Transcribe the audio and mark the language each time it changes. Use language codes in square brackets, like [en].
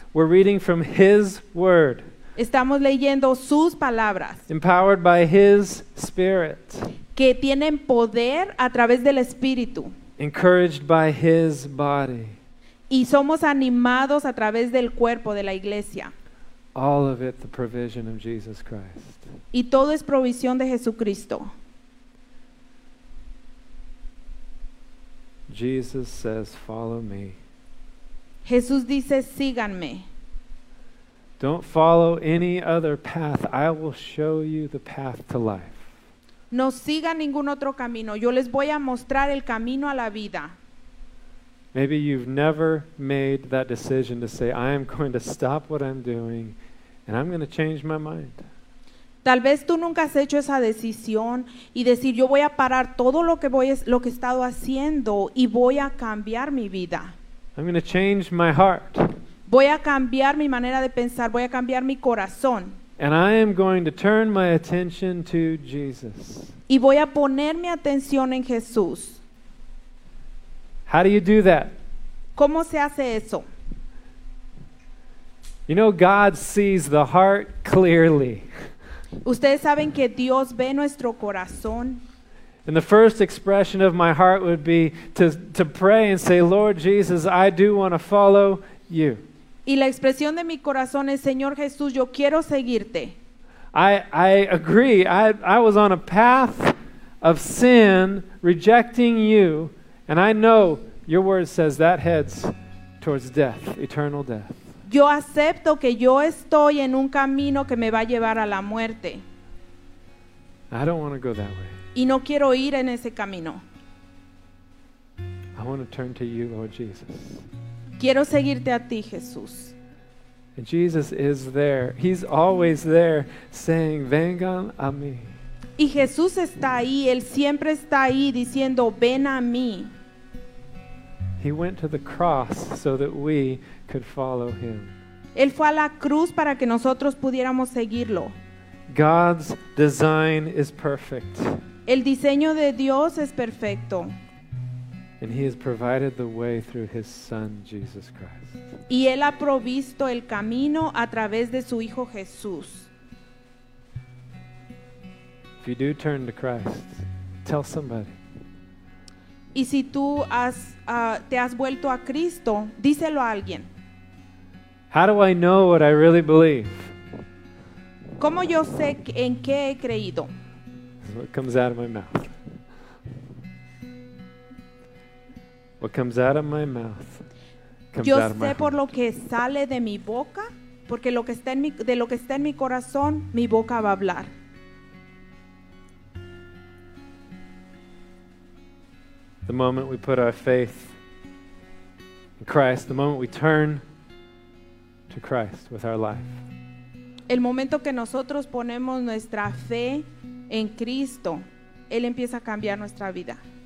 [en] We're reading from His word. [es] Estamos leyendo sus palabras. [en] Empowered by His Spirit. [es] Que tienen poder a través del Espíritu. [en] Encouraged by His body. [es] Y somos animados a través del cuerpo de la iglesia. [en] All of it the provision of Jesus Christ. [es] Y todo es provisión de Jesucristo. [en] Jesus says, follow me. [es] Jesús dice, síganme. [en] Don't follow any other path. I will show you the path to life. [es] No sigan ningún otro camino. Yo les voy a mostrar el camino a la vida. [en] Maybe you've never made that decision to say, I am going to stop what I'm doing and I'm going to change my mind. [es] Tal vez tú nunca has hecho esa decisión y decir, yo voy a parar todo lo que he estado haciendo y voy a cambiar mi vida. [en] I'm going to change my heart. [es] Voy a cambiar mi manera de pensar, voy a cambiar mi corazón. [en] And I am going to turn my attention to Jesus. [es] Y voy a poner mi atención en Jesús. [en] How do you do that? [es] ¿Cómo se hace eso? [en] You know, God sees the heart clearly. [es] Ustedes saben que Dios ve nuestro corazón. [en] And the first expression of my heart would be to pray and say, Lord Jesus, I do want to follow you. [es] Y la expresión de mi corazón es, Señor Jesús, yo quiero seguirte. [en] I agree. I was on a path of sin, rejecting you, and I know your word says that heads towards death, eternal death. [es] Yo acepto que yo estoy en un camino que me va a llevar a la muerte. [en] I don't want to go that way. [es] Y no quiero ir en ese camino. [en] I want to turn to you, Lord Jesus. [es] Quiero seguirte a ti, Jesús. [en] And Jesus is there. He's always there saying, [es] vengan a mí. Y Jesús está ahí. Él siempre está ahí diciendo, ven a mí. [en] He went to the cross so that we could follow him. [es] Él fue a la cruz para que nosotros pudiéramos seguirlo. [en] God's design is perfect. [es] El diseño de Dios es perfecto. [en] And he has provided the way through his son Jesus Christ. [es] Y él ha provisto el camino a través de su hijo Jesús. [en] If you do turn to Christ, tell somebody. [es] Y si tú has te has vuelto a Cristo, díselo a alguien. [en] How do I know what I really believe? [es] ¿Cómo yo sé en qué he creído? [en] What comes out of my mouth? What comes out of my mouth comes [es] yo [en] out of my [es] sé [en] heart. [es] Por lo que sale de mi boca, porque lo que está en mi, de lo que está en mi corazón, mi boca va a hablar. [en] The moment we put our faith in Christ, the moment we turn to Christ with our life. [es] El momento que nosotros ponemos nuestra fe en Cristo, Él empieza a cambiar nuestra vida.